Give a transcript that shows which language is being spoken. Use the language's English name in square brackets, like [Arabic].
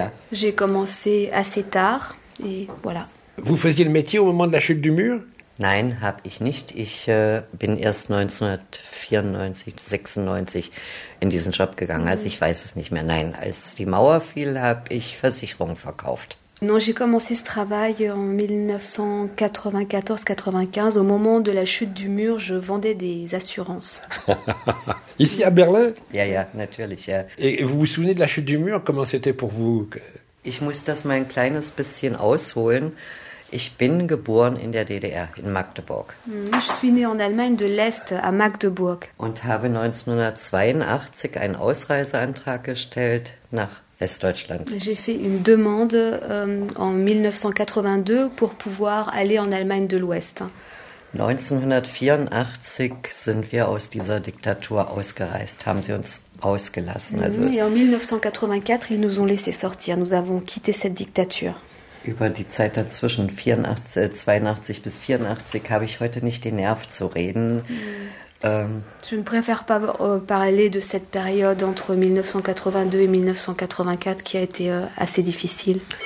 [French] J'ai commencé assez tard et voilà. Vous faisiez le métier au moment de la chute du mur ? [German] Nein, habe ich nicht. Ich bin erst 1994-96 in diesen Job gegangen. Also ich weiß es nicht mehr. Nein, als die Mauer fiel, habe ich Versicherungen verkauft. [French] Non, j'ai commencé ce travail en 1994-95, au moment de la chute du mur, je vendais des assurances. Ici à Berlin ? [German] Ja, ja, natürlich, ja. [French] Et vous vous souvenez de la chute du mur ? Comment c'était pour vous ? [German] Ich muss das mal ein kleines bisschen ausholen. Ich bin geboren in der DDR, in Magdeburg. [French] Je suis née en Allemagne de l'Est, à Magdeburg. [German] Und habe 1982 einen Ausreiseantrag gestellt nach Westdeutschland. [French] J'ai fait une demande en 1982 pour pouvoir aller en Allemagne de l'Ouest. [German] 1984 sind wir aus dieser Diktatur ausgereist, haben sie uns ausgelassen. [French] Also et en 1984, ils nous ont laissé sortir, nous avons quitté cette dictature. [German] Über die Zeit dazwischen, 82 bis 84, habe ich heute nicht den Nerv zu reden. [French] Je ne préfère pas parler de cette période entre 1982 et 1984 qui a été assez difficile.